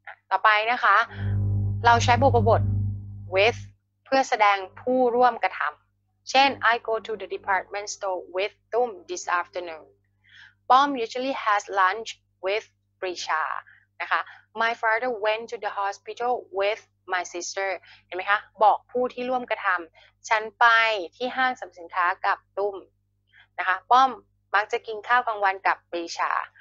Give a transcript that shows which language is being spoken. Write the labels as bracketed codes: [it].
[th] ต่อไปนะคะเราใช้บุพบท [en] with [th] เพื่อแสดงผู้ร่วมกระทำเช่น [en] I go to the department store with Tom this afternoonBom usually has lunch with Prisha. นะคะ My father went to the hospital with my sister. [th] เห็นไหมคะบอกผู้ที่ร่วมกระทำฉันไปที่ห้างสรรพสินค้ากับตุ้มนะคะ [en] Bom มักจะกินข้าวกลางวันกับ Prisha.